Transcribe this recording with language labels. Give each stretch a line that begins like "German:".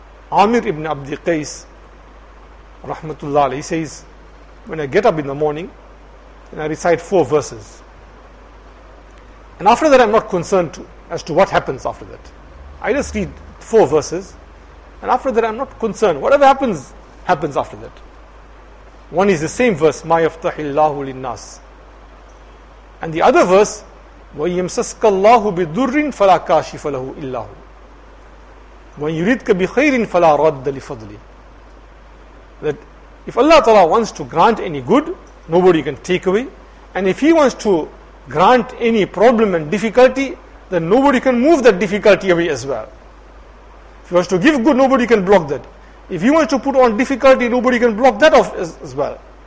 English: Amir ibn Abdi Qais, rahmatullah alayhi, says, when I get up in the morning, then I recite 4 verses. And after that, I'm not concerned as to what happens after that. I just read 4 verses. And after that, I'm not concerned. Whatever happens, happens after that. One is the same verse,
Arabic: ma yaftahi Allahu linnas. And the other verse, وَيَمْسَسْكَ اللَّهُ بِدُرِّنْ فَلَا كَاشِفَ لَهُ إِلَّهُ وَيُرِدْكَ بِخَيْرٍ فَلَا رَدَّ لِفَضْلِهِ.
English: That if Allah Ta'ala wants to grant any good, nobody can take away. And if He wants to grant any problem and difficulty, then nobody can move that difficulty away as well. If He wants to give good, nobody can block that. If He wants to put on difficulty, nobody can block that off as well.